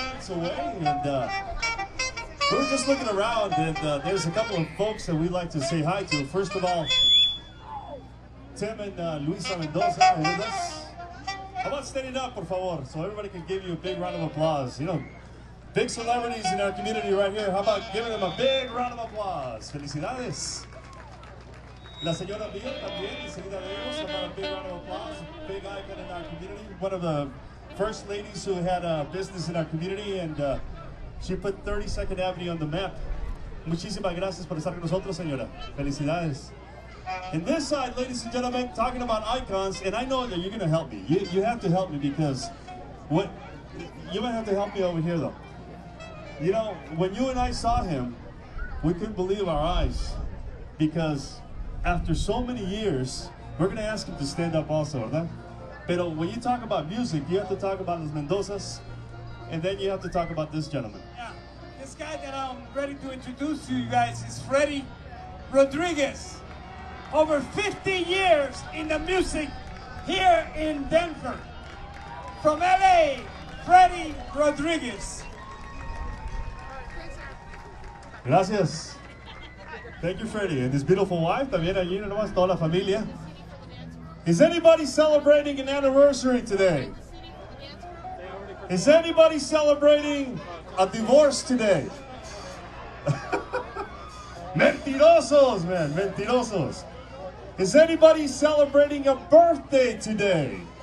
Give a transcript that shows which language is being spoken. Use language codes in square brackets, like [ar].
[en] away, and we're just looking around, and there's a couple of folks that we'd like to say hi to. First of all, Tim and Luisa Mendoza are with us. How about standing up, [es] por favor, [en] so everybody can give you a big round of applause. You know, big celebrities in our community right here. How about giving them a big round of applause? [es] Felicidades. La señora Bill también, enseguida de ellos. How about a big round of applause? Big icon in our community. One of the first ladies who had a business in our community, and she put 32nd Avenue on the map. Muchísimas gracias por estar con nosotros, señora. Felicidades. [en] And this side, ladies and gentlemen, talking about icons, and I know that you're going to help me. You have to help me because what you might have to help me over here, though. You know, when you and I saw him, we couldn't believe our eyes because after so many years, we're going to ask him to stand up also, right? But when you talk about music, you have to talk about Los Mendozas, and then you have to talk about this gentleman. Yeah, this guy that I'm ready to introduce to you guys is Freddie Rodriguez. Over 50 years in the music here in Denver. From LA, Freddie Rodriguez. [es] Gracias. [en] Thank you, Freddie. And his beautiful wife, [es] también allí, no más, toda la familia. [en] Is anybody celebrating an anniversary today? Is anybody celebrating a divorce today? [es] Mentirosos, man, mentirosos. [en] Is anybody celebrating a birthday today?